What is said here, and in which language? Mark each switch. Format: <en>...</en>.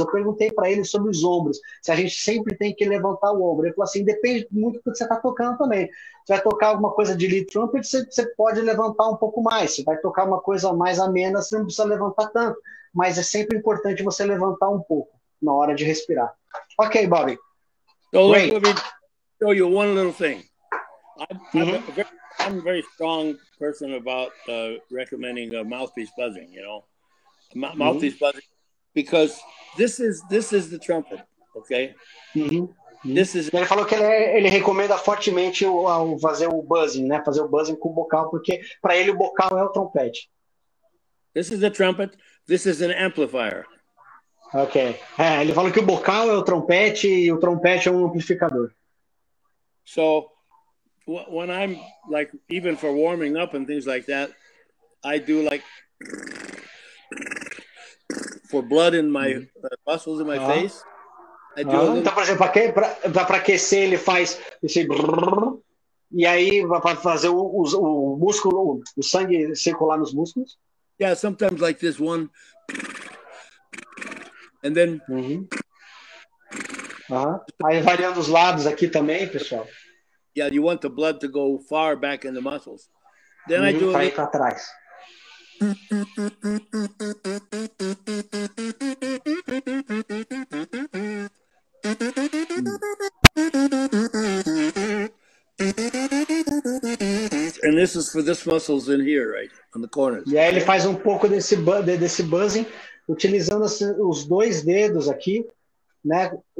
<pt>Eu perguntei para ele sobre os ombros, se a gente sempre tem que levantar o ombro. Ele falou assim, depende muito do que você está tocando também. Você vai tocar alguma coisa de lead trumpet, você pode levantar um pouco mais. Você vai tocar uma coisa mais amena, você não precisa levantar tanto. Mas é sempre importante você levantar um pouco na hora de respirar.</pt> <en>Ok, Bobby. Great. Show you one little thing. I'm a very strong person about recommending a mouthpiece buzzing. You know, mouthpiece buzzing, because this is the trumpet. Okay. Mm-hmm. This is.</en> <pt>Ele falou que ele recomenda fortemente o fazer o buzzing, né? Fazer o buzzing com o bocal, porque para ele o bocal é o trompete.</pt> <en>This is the trumpet. This is an amplifier. Okay.</en> <pt>Ele falou que o bocal é o trompete e o trompete é amplificador.</pt> <en>So when I'm like, even for warming up and things like that, I do like for blood in my muscles in my face. I do.</en> <pt>Então, por exemplo, para aquecer, ele faz esse e aí para fazer o músculo, o sangue circular nos músculos.</pt> <en>Yeah, sometimes like this one, and then.</en> <pt>Aí variando os lados aqui também, pessoal.</pt> <en>Yeah, you want the blood to go far back in the muscles. Then I do</en> <pt>it. Pra trás.</pt> <en>And this is for this muscles in here, right? On the corners.</en> <pt>E aí ele faz um pouco desse buzzing, utilizando os dois dedos aqui, né?</pt>